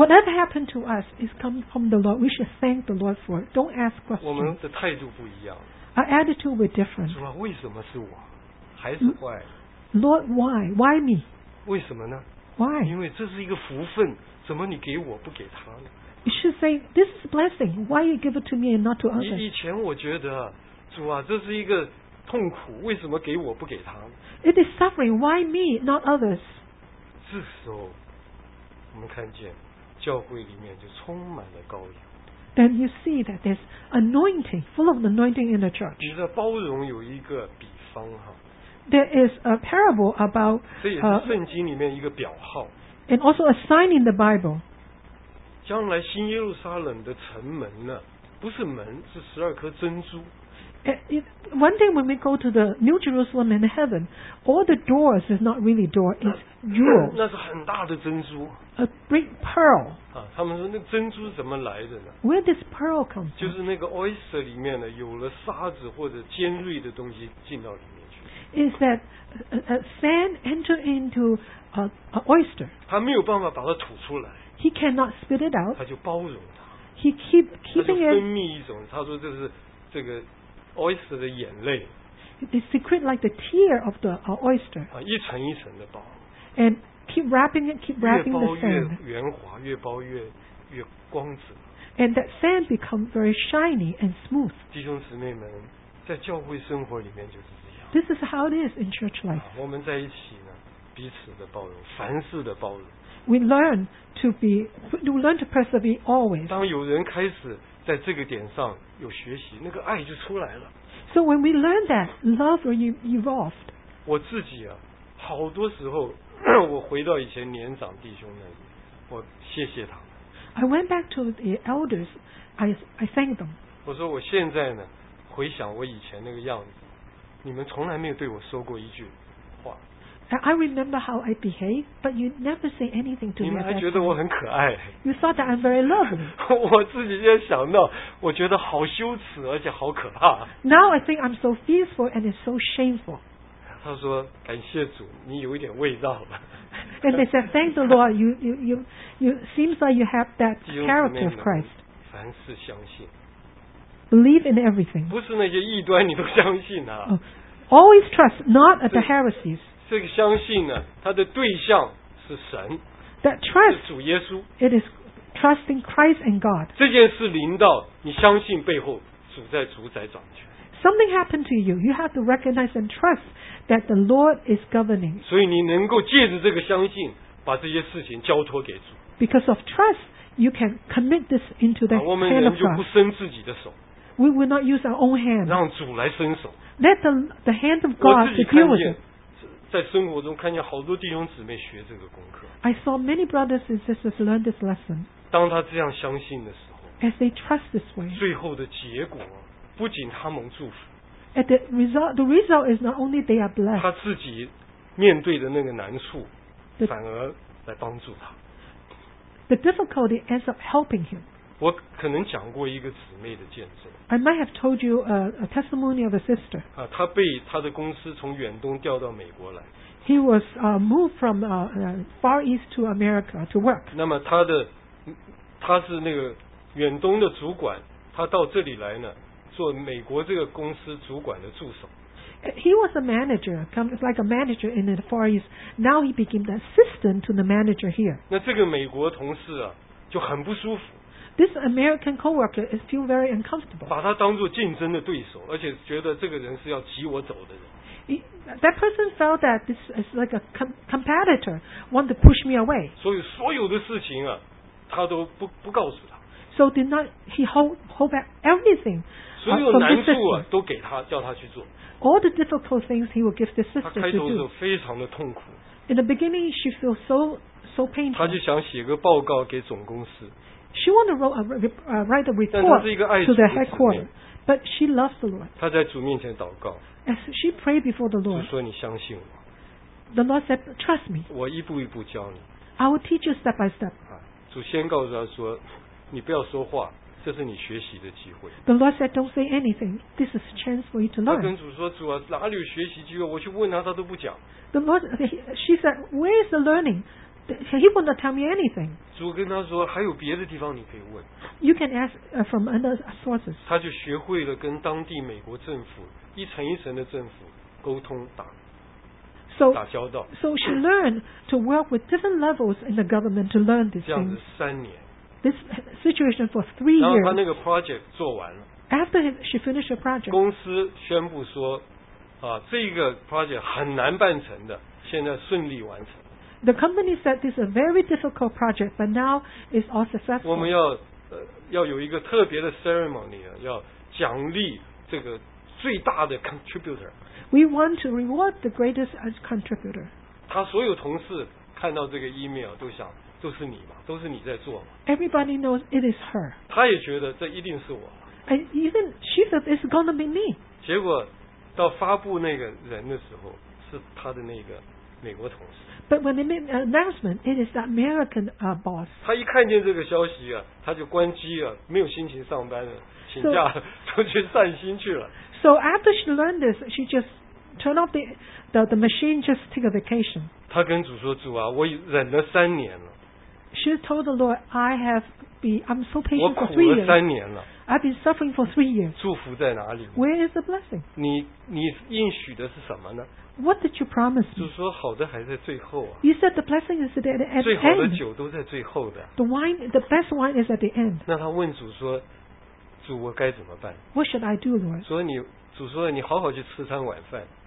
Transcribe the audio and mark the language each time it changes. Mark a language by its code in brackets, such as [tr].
[en] Whatever happened to us is come from the Lord. We should thank the Lord for it. Don't ask questions. [zh] 我们的态度不一样。 [en] Our attitude was different. [zh] 主啊，为什么是我？还是坏 [en] ？Lord, why? Why me? [zh] 为什么呢 [en] ？Why? [zh] 因为这是一个福分，怎么你给我不给他呢 [en] ？You should say this is a blessing. Why you give it to me and not to others? [zh] 以前我觉得，主啊，这是一个痛苦，为什么给我不给他 [en] ？It is suffering. Why me, not others? [zh] 这时候，我们看见教会里面就充满了膏油。 [en] Then you see that there's anointing, full of anointing in the church. [zh] 你的包容有一个比方哈。 [en] There is a parable about. [zh] 这也是圣经里面一个表号。 [en] And also a sign in the Bible. [zh] 将来新耶路撒冷的城门呢，不是门，是十二颗珍珠。 [en] One day when we go to the New Jerusalem in heaven, all the doors is not really door, it's jewel. [zh] 那是很大的珍珠。 [en] A great pearl. [zh] 啊，他们说那珍珠怎么来的呢 [en] ？Where this pearl come from? [zh] 就是那个 oyster 里面呢，有了沙子或者尖锐的东西进到里面去。 [en] Is that a sand enter into a oyster? [zh] 他没有办法把它吐出来。 [en] He cannot spit it out. [zh] 他就包容它。 [en] He keeping it. [zh] 他就分泌一种，他说这是这个。 Oyster 的眼泪 [en] They secrete like the tear of the oyster [zh] 啊，一层一层的包 [en] And keep wrapping it, keep wrapping the sand [zh] 越包越圆滑越包 越光泽 [en] And that sand becomes very shiny and smooth [zh] 弟兄姊妹们在教会生活里面就是这样 [en] This is how it is in church life [zh] 我们在一起呢彼此的包容凡事的包容 [en] We learn to persevere always [zh] 当有人开始在这个点上有学习，那个爱就出来了。 [en] So when we learn that love will evolve. [zh] 我自己啊，好多时候我回到以前年长弟兄那里，我谢谢他们。 [en] I went back to the elders. I thank them. [zh] 我说我现在呢，回想我以前那个样子，你们从来没有对我说过一句话。 [en] I remember how I behave, but you never say anything to me. [zh] 你们还觉得我很可爱。 [en] You thought that I'm very lovely. [zh] 我自己也想到，我觉得好羞耻，而且好可怕。 [en] Now I think I'm so fearful and it's so shameful. [zh] 他说：“感谢主，你有一点味道了。” [en] And they said, "Thank the Lord, you seems like you have that character of Christ." [zh] 凡事相信。 [en] Believe in everything. [zh] 不是那些异端你都相信啊。 [en] Always trust, not at the heresies. [zh] 这个相信呢，它的对象是神， [en] that trust, [zh] 是主耶稣。 [en] It is trusting Christ and God. [zh] 这件事临到，你相信背后主在主宰掌权。 [en] Something happened to you. You have to recognize and trust that the Lord is governing. [zh] 所以你能够借着这个相信，把这些事情交托给主。 [en] Because of trust, you can commit this into the hand of God. [zh] 我们人就不伸自己的手。 [en] We will not use our own hand. [zh] 让主来伸手。 [en] Let the hand of God to deal with it. [zh] 在生活中看见好多弟兄姊妹学这个功课。 [en] I saw many brothers and sisters learn this lesson. [zh] 当他这样相信的时候 [en] ，as they trust this way， [zh] 最后的结果不仅他蒙祝福 [en] ，at the result is not only they are blessed， [zh] 他自己面对的那个难处反而来帮助他。 [en] The difficulty ends up helping him. [zh] 我可能讲过一个姊妹的见证。 [en] I might have told you a testimony of a sister. [zh] 啊，他被他的公司从远东调到美国来。 [en] He was moved from far east to America to work. [zh] 那么他是那个远东的主管，他到这里来呢，做美国这个公司主管的助手。 [en] He was a manager, like a manager in the Far East. Now he became the assistant to the manager here. [zh] 那这个美国同事啊，就很不舒服。 [en] This American coworker is feel very uncomfortable. [zh] 把他当作竞争的对手，而且觉得这个人是要挤我走的人。 [en] That person felt that this is like a competitor, want to push me away. [zh] 所以所有的事情啊，他都不告诉他。 [en] So did not he hold back everything? [zh] 所有难处啊，都给他，叫他去做。 [en] All the difficult things he will give the sister to do. [zh] 他开头是非常的痛苦。 [en] In the beginning, she feels so painful. [zh] 他就想写个报告给总公司。 [en] She want to write a report to the headquarters, but she loves the Lord. [zh] 她在主面前祷告。 [en] As she prayed before the Lord. [zh] 就说你相信我。 [en] The Lord said, "Trust me." [zh] 我一步一步教你。 [en] I will teach you step by step. [zh] 主先告诉她说，你不要说话，这是你学习的机会。 [en] The Lord said, "Don't say anything. This is a chance for you to learn." [zh] 她跟主说，主啊，哪里有学习机会？我去问她，她都不讲。 [en] The Lord, she said, "Where is the learning?" He will not tell me anything. [zh] 主跟他说，还有别的地方你可以问。 [en] You can ask from other sources. [zh] 他就学会了跟当地美国政府一层一层的政府沟通打交道。 [en] So she learned to work with different levels in the government to learn these things. [zh] 这样子三年。 [en] This situation for 3 years. [zh] 然后他那个 project 做完了。 [en] After she finished the project. [zh] 公司宣布说，啊，这个 project 很难办成的，现在顺利完成。 [en] The company said this is a very difficult project, but now it's all successful. [zh] 我们要有一个特别的 ceremony， 要奖励这个最大的 contributor. [en] We want to reward the greatest contributor. [zh] 他所有同事看到这个 email 都想，都是你嘛，都是你在做嘛。 [en] Everybody knows it is her. [zh] 他也觉得这一定是我。 [en] And even she said it's going to be me. [zh] 结果到发布那个人的时候，是他的那个美国同事。 [en] But when they made an announcement, it is the American boss. [zh] 他一看见这个消息啊，他就关机啊，没有心情上班了，请假出去散心去了。 [en] So after she learned this, she just turned off the machine, just take a vacation. [zh] 他跟主说，主啊，我忍了三年了。 [en] She told the Lord, I'm so patient for 3 years. [zh] 我苦了三年了。 [en] I've been suffering for 3 years. [zh] 祝福在哪里？ [en] Where is the blessing? [zh] 你应许的是什么呢？ [en] What did you promise me? [zh] 就说好的还在最后啊。 [en] You said the blessing is at the end. [zh] 最好的酒都在最后的。 [en] The wine, the best wine is at the end. [zh] 那他问主说，主我该怎么办？ [en] What should I do, Lord? [zh] 说你，主说你好好去吃餐晚饭。